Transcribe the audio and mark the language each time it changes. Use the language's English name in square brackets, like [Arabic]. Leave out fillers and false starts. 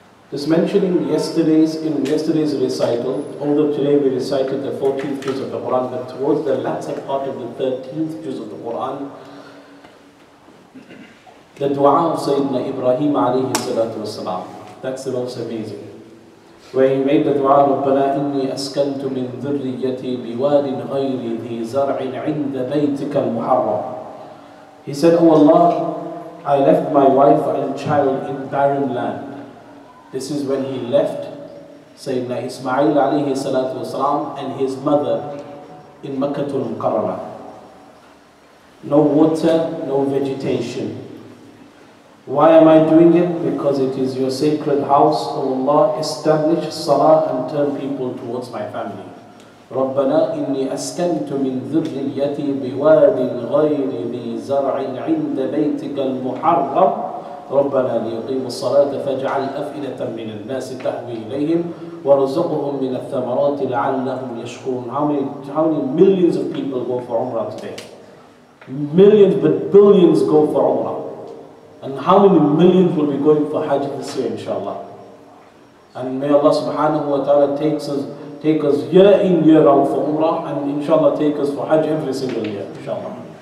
[English] Just mentioning yesterday's recital, although today we recited the 14th juz of the Quran, but towards the latter part of the 13th juz of the Quran, the dua of Sayyidina Ibrahim alayhi salatu wasalam. That's the most amazing. Where he made the dua, [Arabic] رَبَّنَا إِنِّي أَسْكَنْتُ مِنْ ذُرِّيَّتِي بِوَادٍ غَيْرِ ذِي زَرْعٍ عِنْدَ بَيْتِكَ الْمُحَرَّمِ. [English] He said, Oh Allah, I left my wife and child in barren land. This is when he left Sayyidina Ismail alayhi salatu wasalam and his mother in Makkah al-Mukarrama. No water, no vegetation. Why am I doing it? Because it is your sacred house, O Allah, establish salah and turn people towards my family. [Arabic] رَبَّنَا إِنِّي أَسْكَنْتُ مِنْ ذُرِّيَّتِي بِوَادٍ غَيْرِ ذِي زَرْعٍ عِنْدَ بَيْتِكَ الْمُحَرَّمِ رَبَّنَا لِيُقِيمُ الصَّلَاةَ فَاجْعَلْ أَفْئِدَةً مِنَ النَّاسِ تَهْوِي إِلَيْهِمْ وَرُزُقُهُمْ مِنَ الثَّمَرَاتِ لَعَلَّهُمْ يَشْكُرُونَ [English] How many millions of people go for Umrah today? Millions but billions go for Umrah. And how many millions will be going for Hajj this year, inshallah? And may Allah subhanahu wa ta'ala take us year in, year out for Umrah, and inshallah take us for Hajj every single year, inshallah.